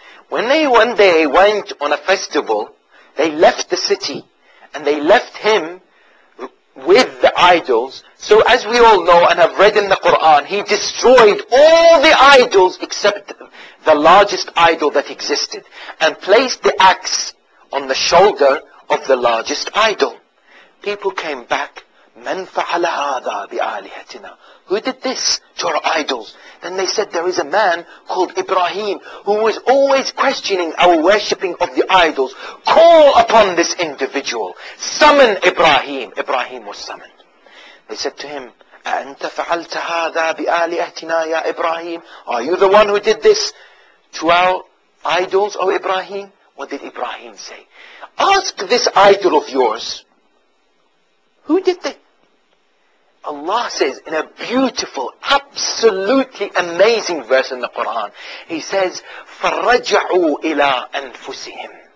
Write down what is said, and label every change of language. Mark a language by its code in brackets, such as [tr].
[en] When they one day went on a festival, they left the city, and they left him with the idols. So as we all know and have read in the Quran, he destroyed all the idols except the largest idol that existed and placed the axe on the shoulder of the largest idol. People came back, [ar] من فعل هذا بآلهتنا? [en] Who did this to our idols? Then they said, there is a man called Ibrahim who was always questioning our worshipping of the idols. Call upon this individual. Summon Ibrahim. Ibrahim was summoned. They said to him, [ar] أَأَنْتَ فَعَلْتَ هَذَا بِآلِئَتِنَا يَا إِبْرَاهِيمُ? [en] Are you the one who did this to our idols, O Ibrahim? What did Ibrahim say? Ask this idol of yours, who did this? Allah says in a beautiful, absolutely amazing verse in the Quran, He says, [ar] فَرَّجَعُوا إِلَىٰ أَنفُسِهِمْ.